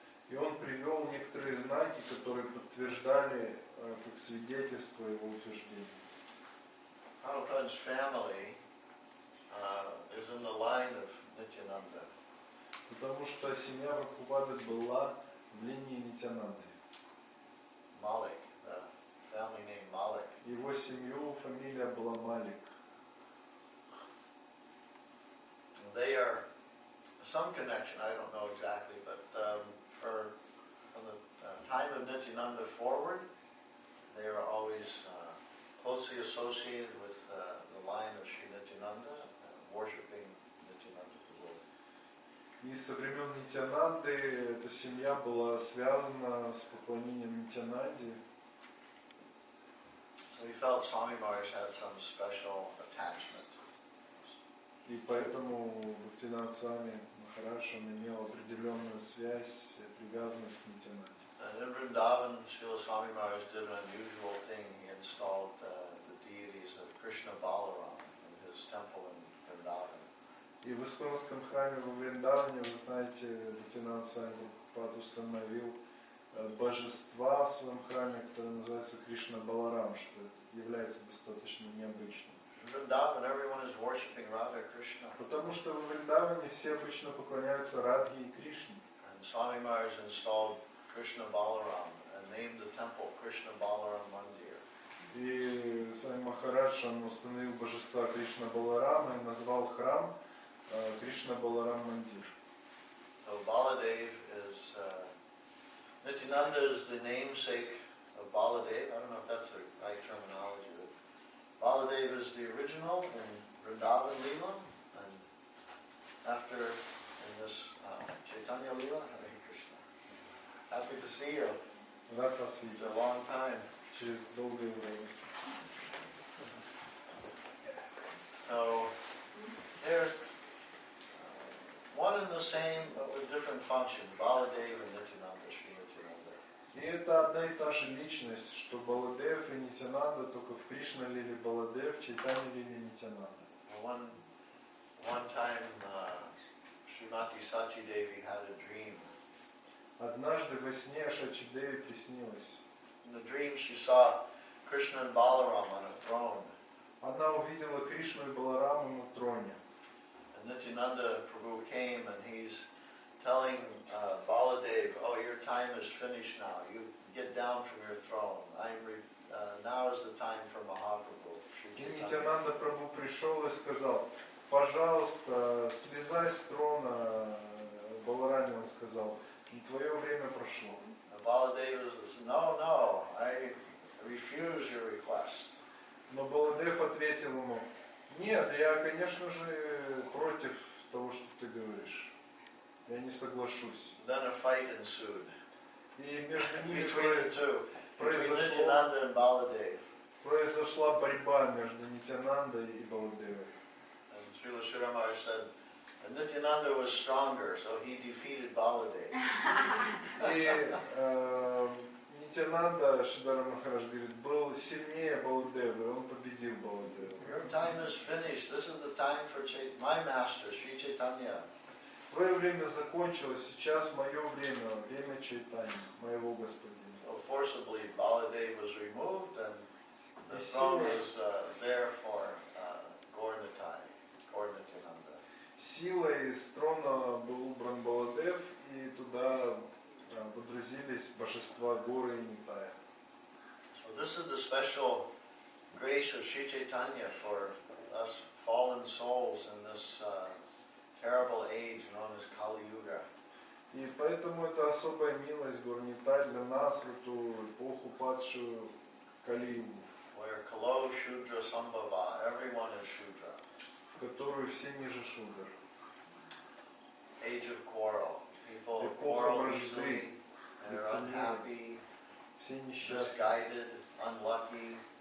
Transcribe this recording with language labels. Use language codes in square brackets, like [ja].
[ru] И он привел некоторые знаки, которые подтверждали как свидетельство его утверждения. [en] Prabhupada's family is in the line of Nityananda. [ru] Потому что семья Прабхупады была в линии Нитянанды. [en] Malik. Family name Malik. [ru] Его семью фамилия была Малик. [en] some connection, I don't know exactly, but for from the time of Nityananda forward, they are always closely associated with the line of Sri Nityananda, worshipping Nityananda Prabhu. [ru] И со времен Нитянанды эта семья была связана с поклонением Нитянанде. [en] So he felt Swami Maharaj had some special attachment. [ru] И поэтому Бхактинан Свами Махарадж имел определенную связь, привязанность к Нитянанде. [en] And in Vrindavan, Srila Swami Maharaj did an unusual thing. He installed the deities of Krishna Balaram in his temple in Vrindavan. [ru] И в Исконском храме во Вриндаване, вы знаете, лейтенант Свами Прабхупада установил божества в своем храме, которое называется Кришна Баларам, что является достаточно необычным. [en] Vrindavan, everyone is worshiping Radha Krishna. [ru] Потому что в Вриндаване все обычно поклоняются Радхе и Кришне. [en] And Swami Maharaj installed Krishna Balaram and named the temple Krishna Balaram Mandir. [ru] И Свами Махарадж установил божества Кришна Баларама и назвал храм Кришна Баларам Мандир. [en] So Baladev is Nityananda is the namesake of Baladev. I don't know if that's the right terminology, but Baladev is the original in Vrindavan Lila, and after in this Chaitanya Lila, Hare Krishna. Happy to see you. [ru] Рад вас видеть. [en] It's a long time. [ru] Через долгое время. [en] So there's one and the same, but with different functions, Baladev and Nityananda, Sri Nityananda. [ru] И это одна и та же личность, что Баладев и Нитянанда, только в Кришна лиле Баладев, Чайтанья лиле Нитянанда. [en] One time, Shrimati Sachi Devi had a dream. [ru] Однажды во сне Шачи Деви приснилось. [en] In the dream she saw Krishna and Balaram on a throne. [ru] Она увидела Кришну и Баларама на троне. [en] Nityananda Prabhu came and he's telling Baladev, "Oh, your time is finished now. You get down from your throne. Now is the time for Mahaprabhu." [ru] Nityananda Prabhu пришел и сказал, "Пожалуйста, слезай с трона, Баларами." Он сказал, "Твое время прошло." [en] Baladev says, "No, no, I refuse your request." [ru] Но Баладев ответил ему. Нет, я, конечно же, против того, что ты говоришь. Я не соглашусь. [en] Then a fight ensued. [ru] И между ними произошла борьба между Нитянандой и Баладевой. [en] And Srila Sri Ramaraj said, Nityananda was stronger, so he defeated Baladev. [ru] Нитянанда, Шридхара Махарадж говорит, был сильнее Баладевы, он победил Баладеву. [en] Your time is finished. This is the time for my master, Sri Chaitanya. [ru] Твое время закончилось, сейчас мое время, время Чайтаньи, моего господина. [en] So forcibly Baladev was removed and the throne was there for Gaur-Nityananda. [ru] Силой с трона был убран Баладев и туда подразились божества Горы и Нитая. [en] So this is the special grace of Sri Chaitanya for us fallen souls in this terrible age known as Kali Yuga. [ru] И поэтому это особая милость Горы Нитая для нас в эту эпоху падшую Кали Югу. [en] Where Kalo Shudra Sambhava, everyone is Shudra. [ru] В которую все ниже Шудр. [en] Age of quarrel. People are easily unhappy, misguided, unlucky,